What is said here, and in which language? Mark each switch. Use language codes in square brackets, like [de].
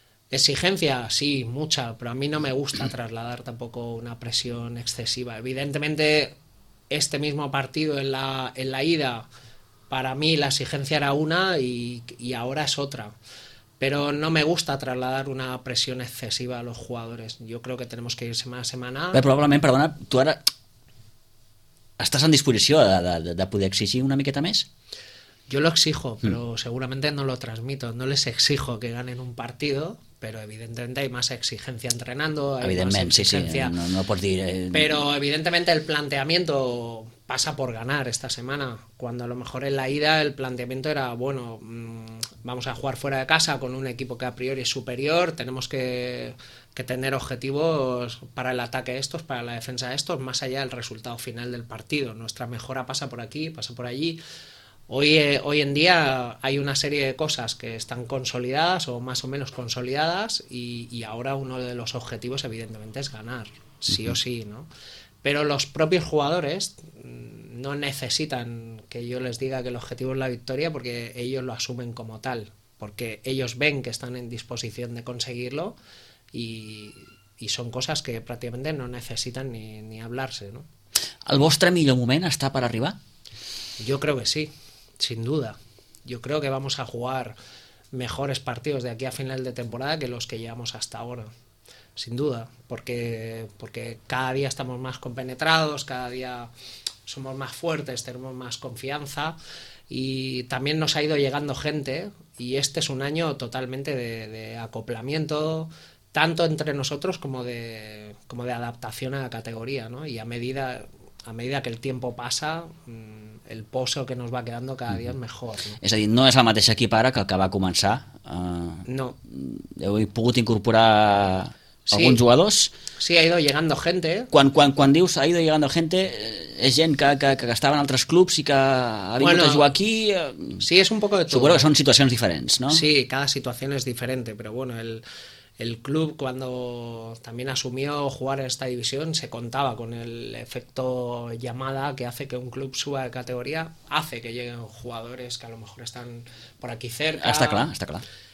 [es] Exigencia, sí, mucha, pero a mí no me gusta trasladar tampoco una presión excesiva. Evidentemente, este mismo partido en la ida, para mí la exigencia era una y ahora es otra. pero no me gusta trasladar una presión excesiva a los jugadores. Yo creo que tenemos que ir semana a semana. [ca] Pero probablement, perdona, tu ara estàs en disposició de poder exigir una miqueta més? [es] Yo lo exijo, pero seguramente no lo transmito. No les exijo que ganen un partido, pero evidentemente hay más exigencia entrenando. Evidentemente, hay más exigencia. Sí, sí, no puedes decir... Pero evidentemente el planteamiento pasa por ganar esta semana, cuando a lo mejor en la ida el planteamiento era, bueno, vamos a jugar fuera de casa con un equipo que a priori es superior, tenemos que tener objetivos para el ataque de estos, para la defensa de estos, más allá del resultado final del partido. Nuestra mejora pasa por aquí, pasa por allí. Hoy en día hay una serie de cosas que están consolidadas o más o menos consolidadas y ahora uno de los objetivos evidentemente es ganar, sí o sí, ¿no? Pero los propios jugadores no necesitan que yo les diga que el objetivo es la victoria porque ellos lo asumen como tal, porque ellos ven que están en disposición de conseguirlo y son cosas que prácticamente no necesitan ni hablarse, ¿no? [ca] ¿El vostre millor moment està per arribar? [es] Yo creo que sí. Sin duda. Yo creo que vamos a jugar mejores partidos de aquí a final de temporada que los que llevamos hasta ahora. Sin duda. Porque cada día estamos más compenetrados, cada día somos más fuertes, tenemos más confianza y también nos ha ido llegando gente y este es un año totalmente de acoplamiento, tanto entre nosotros como de adaptación a la categoría, ¿no? Y a medida que el tiempo pasa, el pozo que nos va quedando cada día es mejor. [ca] És a dir, no és la mateixa equip ara que va començar. No. Heu pogut incorporar alguns jugadors? [es] Sí, ha ido llegando gente. [ca] Quan dius [es] ha ido llegando gente, [ca] és gent que estava en altres clubs i que ha vingut a jugar aquí? [es] Sí, [ca] és [es] un poco de todo. [ca] Suposo que són situacions diferents, no? [es] Sí, [ca] cada situació és diferent, però [es] bueno, el club cuando también asumió jugar en esta división se contaba con el efecto llamada que hace que un club suba de categoría, hace que lleguen jugadores que a lo mejor están por aquí cerca. Está claro, está claro.